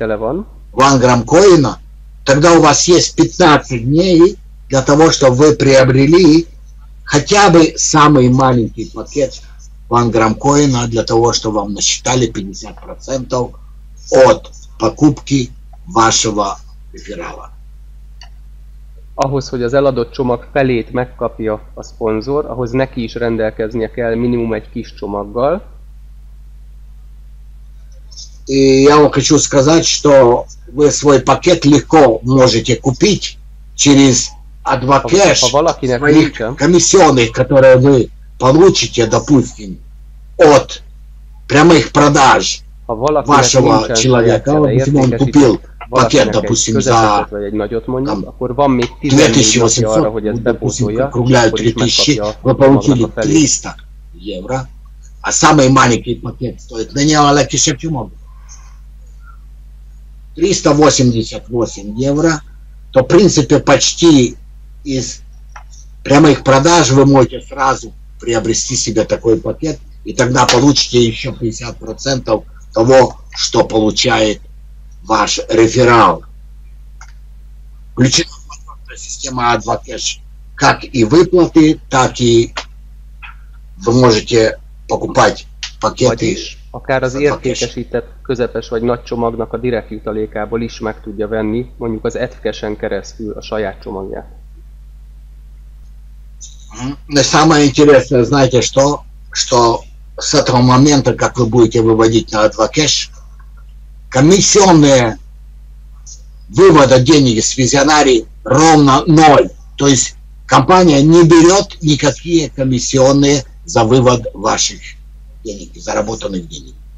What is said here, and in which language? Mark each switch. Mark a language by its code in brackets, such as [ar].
[ru] Wangram Coin, тогда у вас есть 15 дней для того, чтобы вы приобрели хотя бы самый маленький пакет Wangram Coin, для того, чтобы вам насчитали 50% от покупки вашего реферала. [hu] Ahhoz, hogy az eladott csomag felét megkapja a szponzor, ahhoz neki is rendelkeznie kell minimum egy kis csomaggal. [ru] И я вам хочу сказать, что вы свой пакет легко можете купить через AdvoCash, своих комиссионных, которые вы получите, допустим, от прямых продаж вашего человека, допустим, он купил пакет, допустим, за 2800, допустим, округляют 3000, вы получили 300 евро, а самый маленький пакет стоит, на него лаки шепчумов, 388 евро, то, в принципе, почти из прямых продаж вы можете сразу приобрести себе такой пакет, и тогда получите еще 50% того, что получает ваш реферал. Включена система AdvoCash, как и выплаты, так и вы можете покупать пакеты. [hu] Akár az értékesített közepes vagy nagy csomagnak a direkt jutalékából is meg tudja venni, mondjuk az AdvoCash-en keresztül a saját csomagját. [ru] Но самое интересное, знаете что? Что с этого момента, как вы будете выводить на AdvoCash, комиссионные выводы денег с визионарий ровно ноль. То есть компания не берет никакие комиссионные за вывод ваших денег, заработанных денег.